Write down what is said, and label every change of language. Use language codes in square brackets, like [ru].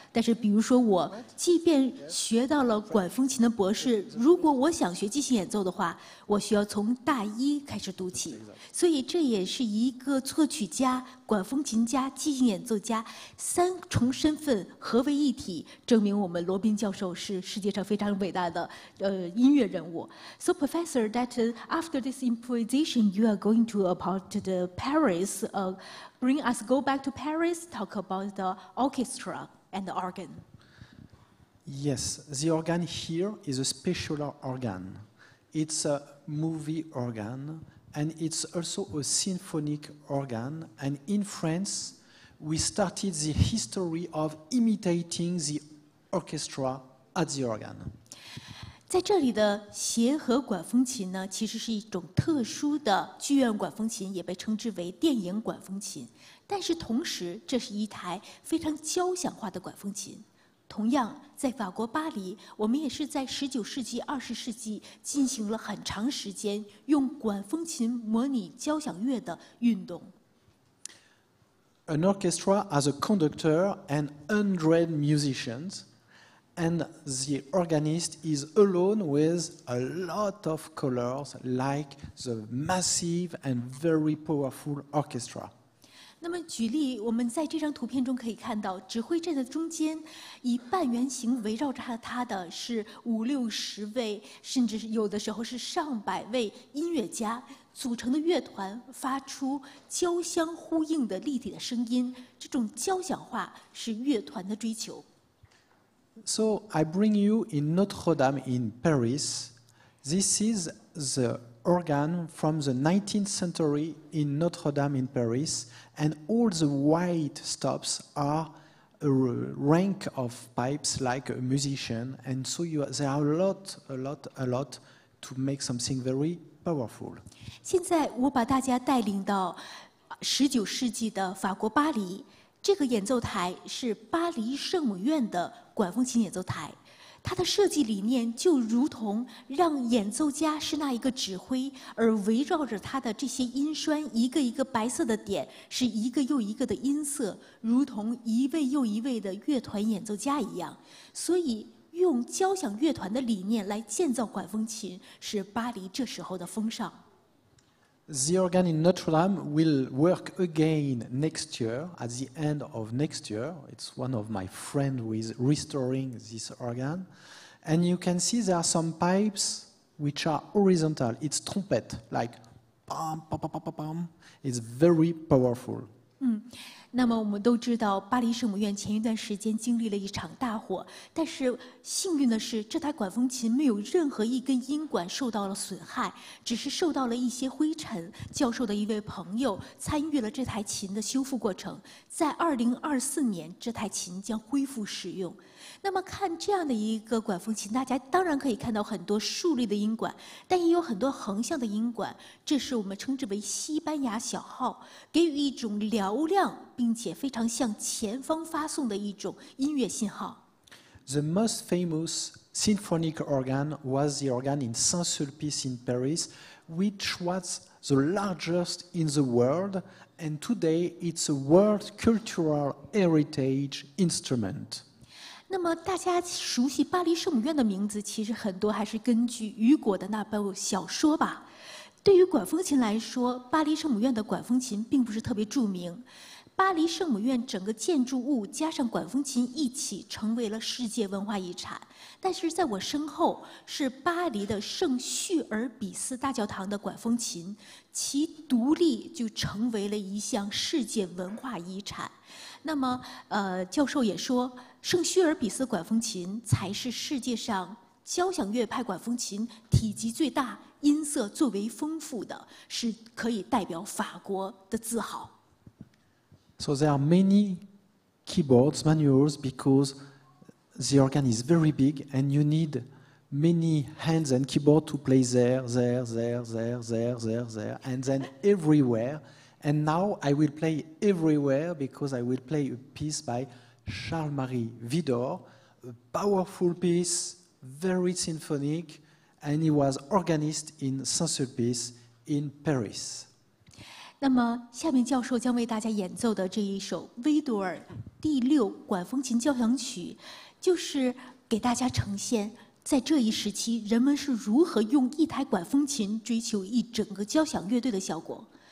[zh] 但是，比如说我，即便学到了管风琴的博士，如果我想学即兴演奏的话，我需要从大一开始读起。所以，这也是一个作曲家、管风琴家、即兴演奏家三重身份合为一体，证明我们罗宾教授是世界上非常伟大的音乐人物。 [en] So Professor Dutton, after this improvisation, you are going to about the Paris, bring us go back to Paris, talk about the orchestra and the organ. Yes, the organ here is a special organ. It's a movie organ. And it's also a symphonic organ. And in France, we started the history of imitating the orchestra at the organ. [zh] 在这里的协和管风琴呢，其实是一种特殊的剧院管风琴，也被称之为电影管风琴。但是同时，这是一台非常交响化的管风琴。同样，在法国巴黎，我们也是在十九世纪、二十世纪进行了很长时间用管风琴模拟交响乐的运动。 [en] An orchestra has a conductor and 100 musicians, and the organist is alone with a lot of colors, like the massive and very powerful orchestra. [zh] 那么举例，我们在这张图片中可以看到，指挥站的中间，以半圆形围绕着它的是五六十位，甚至有的时候是上百位音乐家组成的乐团，发出交相呼应的立体的声音。这种交响化是乐团的追求。 [en] So I bring you in Notre Dame in Paris. This is the organ from the 19th century in Notre Dame in Paris. And all the white stops are a rank of pipes like a musician. And so you, there are a lot to make something very powerful. [zh] 现在我把大家带领到十九世纪的法国巴黎。这个演奏台是巴黎圣母院的管风琴演奏台。它的设计理念就如同让演奏家是那一个指挥，而围绕着他的这些音栓，一个一个白色的点，是一个又一个的音色，如同一位又一位的乐团演奏家一样。所以，用交响乐团的理念来建造管风琴，是巴黎这时候的风尚。 [en] The organ in Notre Dame will work again next year, at the end of next year. It's one of my friends who is restoring this organ. And you can see there are some pipes which are horizontal. It's trumpet, like bam, bam, bam, bam, bam, bam. It's very powerful. [zh] 那么我们都知道巴黎圣母院前一段时间经历了一场大火，但是幸运的是这台管风琴没有任何一根音管受到了损害，只是受到了一些灰尘。教授的一位朋友参与了这台琴的修复过程，在2024年这台琴将恢复使用。那么看这样的一个管风琴，大家当然可以看到很多竖立的音管，但也有很多横向的音管，这是我们称之为西班牙小号，给予一种嘹亮并且非常向前方发送的一种音乐信号。 [en] The most famous symphonic organ was the organ in Saint-Sulpice in Paris, which was the largest in the world, and today it's a world cultural heritage instrument. [zh] 那么大家熟悉巴黎圣母院的名字，其实很多还是根据雨果的那部小说吧。对于管风琴来说，巴黎圣母院的管风琴并不是特别著名。巴黎圣母院整个建筑物加上管风琴一起成为了世界文化遗产。但是在我身后是巴黎的圣叙尔比斯大教堂的管风琴，其独立就成为了一项世界文化遗产。那么，教授也说，圣叙尔比斯管风琴才是世界上交响乐派管风琴体积最大、音色最为丰富的，是可以代表法国的自豪。 [en] So there are many keyboards, manuals, because the organ is very big and you need many hands and keyboards to play there, there, there, there, there, there, there, and then everywhere. And now I will play everywhere because I will play a piece by Charles-Marie Vidor, a powerful piece, very symphonic, and he was organist in Saint-Sulpice in Paris. [zh] 那么下面教授将为大家演奏的这一首维多尔第六管风琴交响曲，就是给大家呈现在这一时期人们是如何用一台管风琴追求一整个交响乐队的效果。